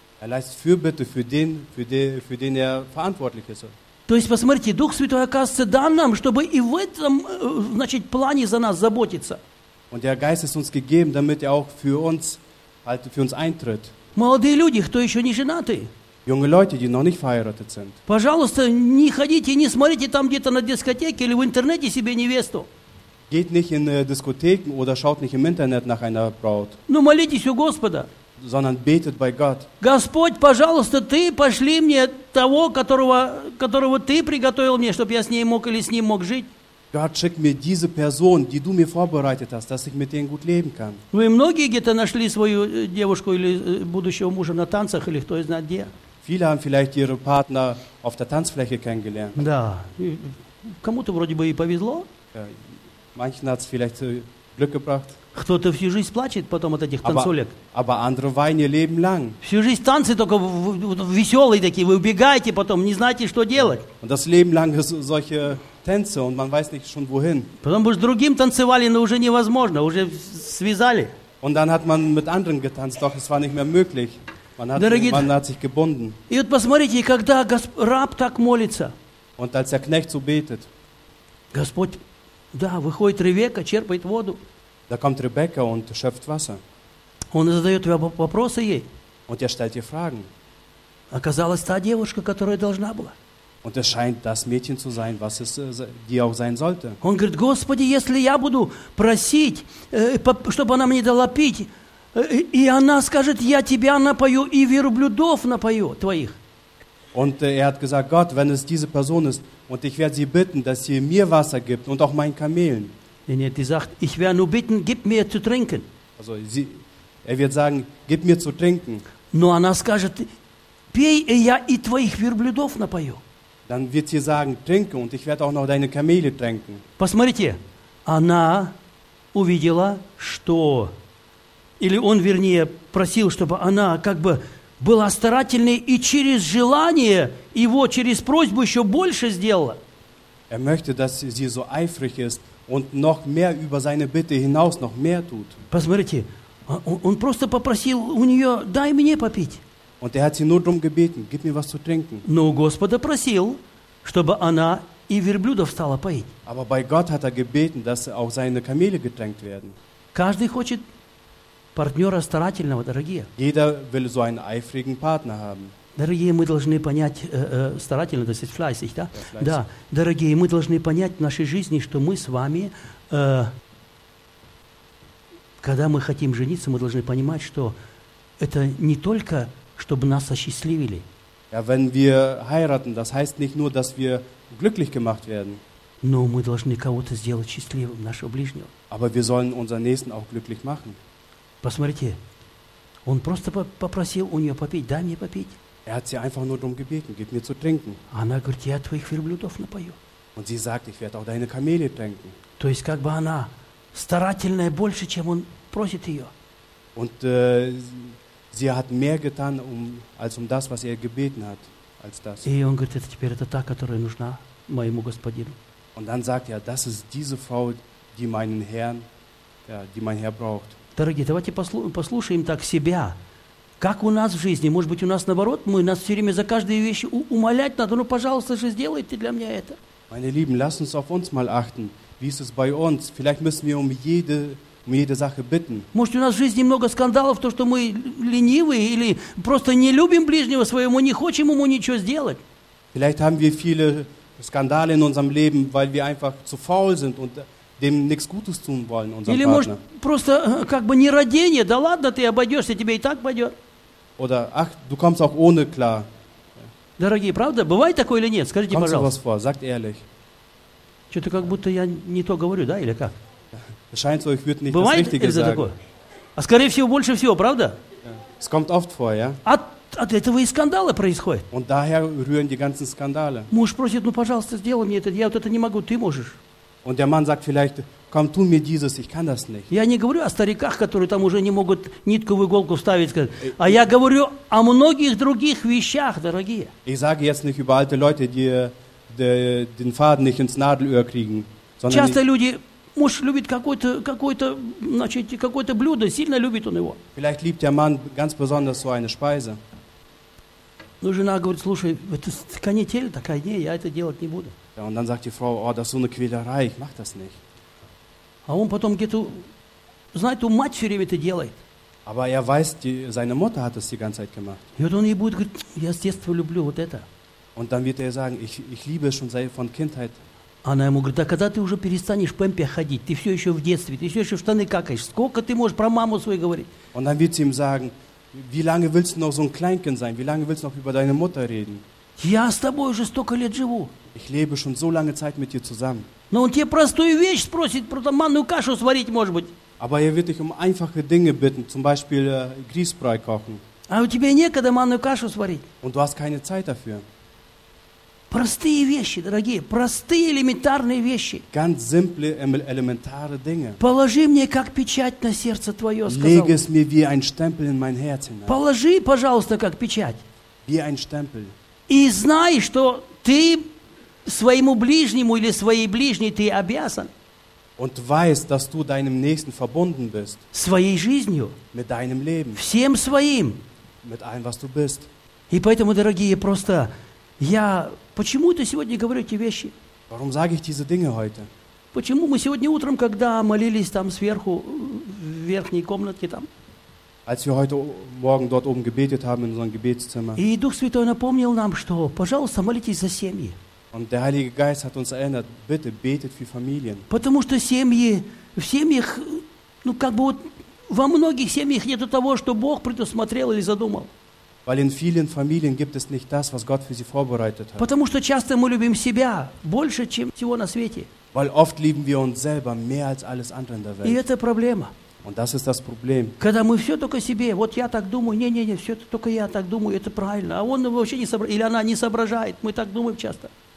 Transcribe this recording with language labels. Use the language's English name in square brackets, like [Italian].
[German] Er leistet Fürbitte für den er verantwortlich ist. [Russian] То есть, посмотрите, Дух Святой оказывается дан нам, чтобы и в этом, значит, плане за нас заботиться. [German] Und der Geist ist uns gegeben, damit auch für uns, halt für uns eintritt. [Russian] Молодые люди, кто еще не женаты? [German] Junge Leute, die noch nicht verheiratet sind. [Russian] Пожалуйста, не ходите, не смотрите там где-то на дискотеке или в интернете себе невесту. [German] Geht nicht in Diskotheken oder schaut nicht im Internet nach einer Braut. [Russian] Но молитесь у Господа. [German] Sondern betet bei Gott. [Russian] Господь, пожалуйста, ты пошли мне того, которого ты приготовил мне, чтобы я с ней мог или с ним мог жить. [German] Gott, schick mir diese Person, die du mir vorbereitet hast, dass ich mit denen gut leben kann. [Russian] Вы многие где-то нашли свою девушку или будущего мужа на танцах или кто знает где. [German] Viele haben vielleicht ihre Partner auf der Tanzfläche kennengelernt. [Russian] Да. Кому-то вроде бы и повезло. [German] Manchen hat es vielleicht Glück gebracht. [Russian] Кто-то всю жизнь плачет потом от этих танцулек. [German] Aber andere weinen ihr Leben lang. [Russian] Всю жизнь танцы только веселые такие. Вы убегаете потом, не знаете, что делать. [German] Und das Leben lang solche Tänze und man weiß nicht schon wohin. [Russian] Потом бы с другим танцевали, но уже невозможно, уже связали. [German] Und dann hat man mit anderen getanzt, doch es war nicht mehr möglich. Man hat sich gebunden. [Russian] И вот посмотрите, когда раб так молится. [German] Und als der Knecht so betet. [Russian] Господь, да, выходит Ревека, черпает воду. [German] Da kommt Rebecca und schöpft Wasser. [Russian] Он задает вопросы ей. [German] Und er stellt ihr Fragen. [Russian] Оказалась та девушка, которая должна была. [German] Und es scheint das Mädchen zu sein, was es die auch sein sollte. [Russian] Он говорит, Господи, если я буду просить, чтобы она мне дала пить, и она скажет, я тебя напою и верблюдов напою твоих. [German] Und er hat gesagt, Gott, wenn es diese Person ist, und ich werde sie bitten, dass sie mir Wasser gibt und auch meinen Kamelen. Und er sagt, ich werde nur bitten, gib mir zu trinken. Also sie, er wird sagen, gib mir zu trinken. [Russian] Но она скажет, пей, и я и твоих верблюдов напою. [German] Dann wird sie sagen, trinke und ich werde auch noch deine Kamele trinken. [Russian] Посмотрите, она увидела, что, или он, вернее, просил, чтобы она как бы была старательной и через желание его, через просьбу еще больше сделала. [German] Er möchte, dass sie so eifrig ist und noch mehr über seine Bitte hinaus noch mehr tut. [Russian] Посмотрите, он просто попросил у нее, дай мне попить. [German] Und er hat sie nur darum gebeten, gib mir was zu trinken. [Russian] Но Господа просил, чтобы она и верблюдов стала поить. [German] Aber bei Gott hat er gebeten, dass auch seine Kamele getränkt werden. [Russian] Каждый хочет партнера старательного, дорогие. [German] Jeder will so einen eifrigen Partner haben. [Russian] Дорогие, мы должны понять старательно, то есть fleißig, да? Да, дорогие, мы должны понять в нашей жизни, что мы с вами, когда мы хотим жениться, мы должны понимать, что это не только чтобы нас осчастливили. [German] Ja, wenn wir heiraten, das heißt nicht nur, dass wir glücklich gemacht werden. [Russian] Но мы должны кого-то сделать счастливым, нашего ближнего. [German] Aber wir sollen unseren Nächsten auch glücklich machen. [Russian] Посмотрите, он просто попросил у нее попить, дай мне попить. [German] Er hat sie einfach nur darum gebeten, gib mir zu trinken. [Russian] Она говорит, я твоих верблюдов напою. [German] Und sie sagt, ich werde auch deine Kamele trinken. [Russian] То есть как бы она старательная больше, чем он просит ее. [German] Und sie hat mehr getan, als das, was er gebeten hat, als das. [Russian] И он говорит, это теперь это та, которая нужна моему господину. [German] Und dann sagt er, das ist diese Frau, die meinen Herrn, ja, die mein Herr braucht. [Russian] Дорогие, давайте послушаем так себя. Как у нас в жизни? Может быть, у нас наоборот, мы нас все время за каждую вещь умолять надо. Ну, пожалуйста же, сделайте для меня это. [German] Meine Lieben, lasst uns auf uns mal achten. Wie ist es bei uns? Vielleicht müssen wir um jede Sache bitten. [Russian] Может, у нас в жизни много скандалов, то, что мы ленивые или просто не любим ближнего своего, не хочем ему ничего сделать. [German] Vielleicht haben wir viele Skandale in unserem Leben, weil wir einfach zu faul sind und dem nichts Gutes tun wollen, unserem [Russian] Partner. Или, может, просто как бы не родение, да ладно, ты обойдешься, тебе и так пойдет. [German] Oder, ach, du kommst auch ohne klar. [Russian] Дорогие, правда, бывает такое или нет? Скажите, [German] kommt [Russian] пожалуйста. [German] Kommt so was vor, sagt ehrlich. [Russian] Что-то как будто я не то говорю, да, или как? [German] Scheint so, ich würde nicht das Richtige sagen. [Russian] Такое? А скорее всего, больше всего, правда? [German] Yeah. Es kommt oft vor, ja. [Russian] От этого и скандалы происходят. [German] Und daher rühren die ganzen Skandale. [Russian] Муж просит, ну, пожалуйста, сделай мне это, я вот это не могу, ты можешь. [German] Und der Mann sagt vielleicht, komm, tu mir dieses, ich kann das nicht. [Russian] Я не говорю о стариках, которые там уже не могут нитку в иголку вставить, сказать, а я говорю о многих других вещах, дорогие. [German] Ich sage jetzt nicht über alte Leute, die den Faden nicht ins Nadelöhr kriegen. [Russian] Часто люди, муж любит какое-то, значит, какое-то блюдо, сильно любит он его. [German] Vielleicht liebt der Mann ganz besonders so eine Speise. [Russian] Ну, жена говорит, слушай, это канитель такая, не, я это делать не буду. [German] Ja, und dann sagt die Frau, oh, das ist so eine Quälerei, ich mach das nicht. [Russian] А он потом где-то, знает, у мать все время это делает. [German] Aber er weiß, seine Mutter hat es die ganze Zeit gemacht. [Russian] И вот он ей будет говорить, я с детства люблю вот это. [German] Und dann wird er sagen, ich liebe es schon seit von Kindheit. [Russian] Она ему говорит, а когда ты уже перестанешь в пемпе ходить, ты все еще в детстве, ты все еще в штаны какаешь, сколько ты можешь про маму свою говорить? [German] Und dann wird sie ihm sagen, wie lange willst du noch so ein Kleinkind sein? Wie lange willst du noch über deine Mutter reden? [Russian] Я с тобой уже столько лет живу. [German] Ich lebe schon so lange Zeit mit dir zusammen. [Russian] Но он тебе простую вещь спросит, про манную кашу сварить, может быть. [German] Aber er wird dich um einfache Dinge bitten, zum Beispiel Grießbrei kochen. [Russian] А у тебя некогда манную кашу сварить. [German] Und du hast keine Zeit dafür. [Russian] Простые вещи, дорогие, простые элементарные вещи. [German] Ganz simple, elementare Dinge. [Russian] Положи мне как печать на сердце твое, сказал. [German] Lege es mir wie ein Stempel in mein Herz hinein. [Russian] Положи, пожалуйста, как печать. [German] Wie ein Stempel. [Russian] И знай, что ты своему ближнему или своей ближней ты обязан. [German] Und weiß, dass du deinem Nächsten verbunden bist. [Russian] Своей жизнью. [German] Mit deinem Leben. [Russian] Всем своим. [German] Mit allem, was du bist. [Russian] И поэтому, дорогие, просто я почему-то сегодня говорю эти вещи. [German] Warum sage ich diese Dinge heute? [Russian] Почему мы сегодня утром, когда молились там сверху, в верхней комнатке там? [German] Als wir heute Morgen dort oben gebetet haben in unserem Gebetszimmer. [Russian] И Дух Святой напомнил нам, что, пожалуйста, молитесь за семьи. [German] Und der Heilige Geist hat uns erinnert, bitte betet für Familien. [Russian] Потому что семьи, в семьях, ну как бы вот, во многих семьях нету того, что Бог предусмотрел или задумал. [German] Weil in vielen Familien gibt es nicht das, was Gott für sie vorbereitet hat. [Russian] Потому что часто мы любим себя больше, чем всего на свете. [German] Weil oft lieben wir uns selber mehr als alles andere in der Welt. [Russian] И это проблема. [German] Und das ist das Problem. [Russian] Когда мы все только себе, вот я так думаю, не-не-не, все только я так думаю, это правильно. А он вообще не соображает, или она не соображает, мы так думаем часто.